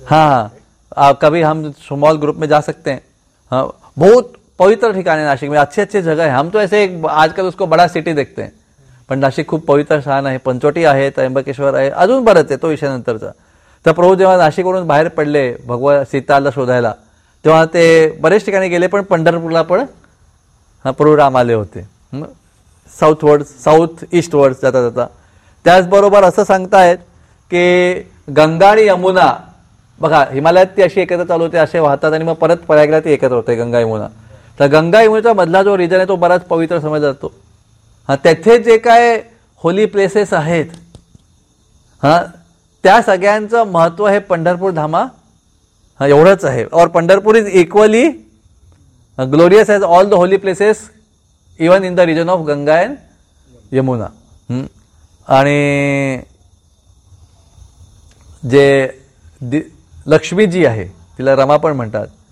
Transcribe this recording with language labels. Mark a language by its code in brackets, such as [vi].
[hi] हां, आप कभी, हम स्मॉल ग्रुप में जा सकते हैं. हाँ, बहुत पवित्र ठिकाण है नाशिक में, अच्छे अच्छे जगह है. हम तो ऐसे एक आजकल उसको बड़ा सिटी देखते हैं [mr] पण नाशिक खूप पवित्र स्थान आहे. पंचवटी आहे, त्र्यंबकेश्वर आहे, अजून बरंच आहे, तो विषय नंतरचा. तर प्रभू जेव्हा नाशिकवरून बाहेर पडले भगवान सीताला शोधायला तेव्हा ते बरेच ठिकाणी गेले पण पंढरपूरला पण प्रभू राम आले होते. साऊथवर्ड, साऊथ ईस्टवर्ड जाता जाता. त्याचबरोबर असं सांगतायत की गंगा आणि यमुना, बघा हिमालयात ती अशी एकत्र चालू होते, असे वाहतात आणि मग परत प्रयागराज ती एकत्र होते गंगा यमुना. तर गंगा यमुनेचा मधला जो रिजन आहे तो बराच पवित्र समजला जातो. हां, तेथे जे काय होली प्लेसेस आहेत, हां, त्या सगळ्यांचं महत्त्व हे पंढरपूर धामा एवढंच आहे. [en] और Pandharpur is equally glorious as all the holy places even in the region of Ganga and Yamuna. [mr] आणि जे लक्ष्मीजी आहे तिला रमा पण म्हणतात.